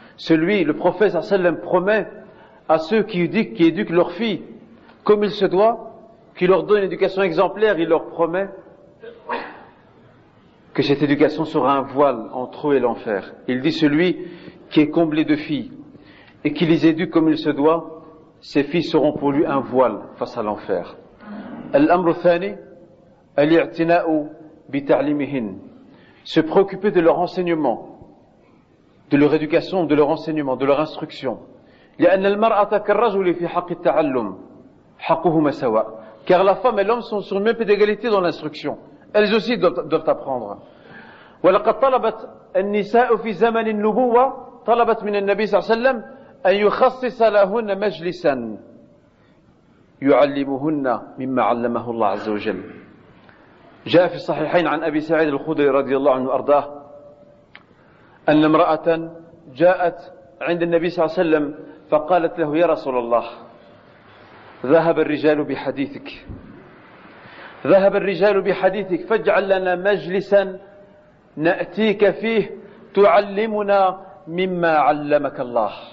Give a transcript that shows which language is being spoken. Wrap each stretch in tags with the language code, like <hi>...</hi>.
<fr>Celui, le prophète sallam, promet à ceux qui éduquent leurs filles comme il se doit, qui leur donne une éducation exemplaire, il leur promet que cette éducation sera un voile entre eux et l'enfer. Il dit, celui qui est comblé de filles et qui les éduque comme il se doit, ses filles seront pour lui un voile face à l'enfer.</fr> <ar>الأمر الثاني الاعتناء بتعليمهن.</ar> <fr>Se préoccuper de leur enseignement, de leur éducation, de leur enseignement, de leur instruction.</fr> <ar>لأن المرأة كالرجل في حق التعلم حقهما سواء.</ar> <fr>Car la femme et l'homme sont sur le même pied d'égalité dans l'instruction. Elles aussi doivent apprendre.</fr> <ar>ولقد طلبت النساء في زمن النبوة طلبت من النبي صلى الله عليه وسلم أن يخصص لهن مجلسا يعلمهن مما علمه الله عز وجل. جاء في الصحيحين عن أبي سعيد الخدري رضي الله عنه وأرضاه أن امرأة جاءت عند النبي صلى الله عليه وسلم فقالت له يا رسول الله ذهب الرجال بحديثك فاجعل لنا مجلسا نأتيك فيه تعلمنا مما علمك الله.</ar>